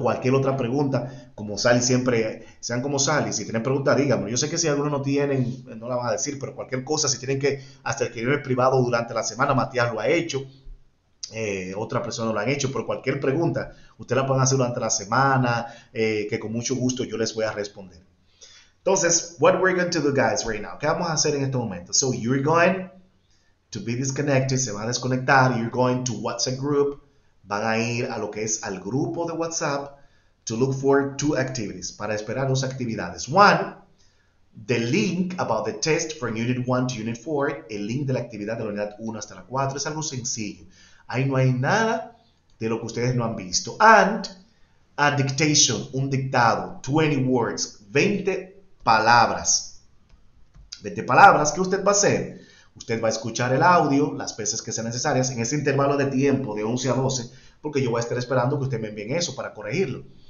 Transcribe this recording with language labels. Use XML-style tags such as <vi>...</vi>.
<es>Cualquier otra pregunta, como Sally siempre, sean como Sally. Si tienen preguntas, díganme. Yo sé que si alguno no tienen, no la van a decir, pero cualquier cosa, si tienen que hasta escribirme privado durante la semana, Matías lo ha hecho, otra persona lo han hecho, pero cualquier pregunta, ustedes la pueden hacer durante la semana, que con mucho gusto yo les voy a responder.</es> <en>Entonces, what we're going to do, guys, right now.</en> <es>¿Qué vamos a hacer en este momento?</es> <en>So, you're going to be disconnected,</en> <es>se va a desconectar.</es> <en>You're going to WhatsApp group.</en> <es>Van a ir a lo que es al grupo de WhatsApp</es> <en>to look for two activities.</en> <es>Para esperar dos actividades.</es> <en>One, the link about the test from Unit 1 to Unit 4.</en> <es>El link de la actividad de la unidad 1 hasta la 4. Es algo sencillo. Ahí no hay nada de lo que ustedes no han visto.</es> <en>And a dictation,</en> <es>un dictado.</es> <en>20 words,</en> <es>20 palabras. 20 palabras. ¿Qué usted va a hacer? Usted va a escuchar el audio las veces que sean necesarias en ese intervalo de tiempo de 11 a 12, porque yo voy a estar esperando que usted me envíe eso para corregirlo.</es>